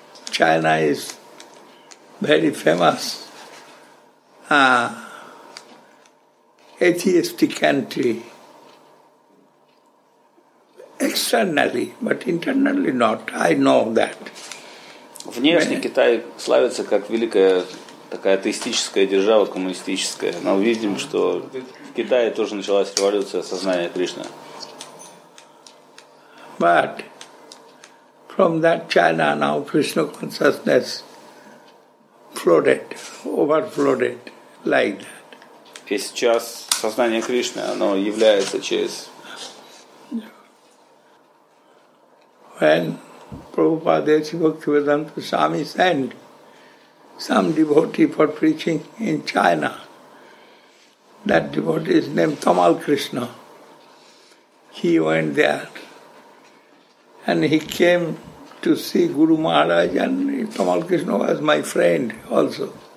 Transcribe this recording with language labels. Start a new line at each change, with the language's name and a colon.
English: China is very famous atheistic country externally, but internally not. I know that.
Russian: Внешне Китай славится как великая такая атеистическая держава, коммунистическая. Но видим, что в Китае тоже началась революция сознания Кришны.
English: But from that China now Krishna consciousness overflowed like that.
Russian: И сейчас сознание Кришны, оно является через...
English: When Prabhupada Sri Bhaktivedanta Swami sent some devotee for preaching in China, that devotee is named Tamal Krishna. He went there and he came to see Guru Maharaj, and Tamal Krishna was my friend also.